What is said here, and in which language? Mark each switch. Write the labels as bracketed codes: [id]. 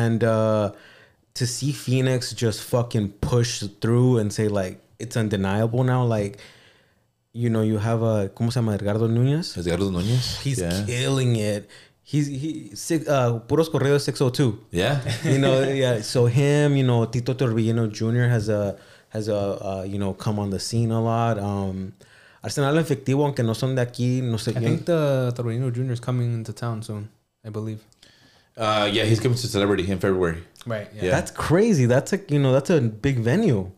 [en] And to see Phoenix just fucking push through and say like it's undeniable now, like you know, you have a [es] ¿cómo se llama? [en] Edgardo Núñez. He's killing it. Puros Correos 602. Yeah. You know, yeah. So him, you know, Tito Torbellino Jr. has come on the scene a lot. [es] Arsenal efectivo, aunque no son de aquí, no sé. [en] I think the Torino Jr. is coming into town soon, I believe. Yeah, he's coming to Celebrity in February. Right. Yeah. That's crazy. That's like, you know, that's a big venue.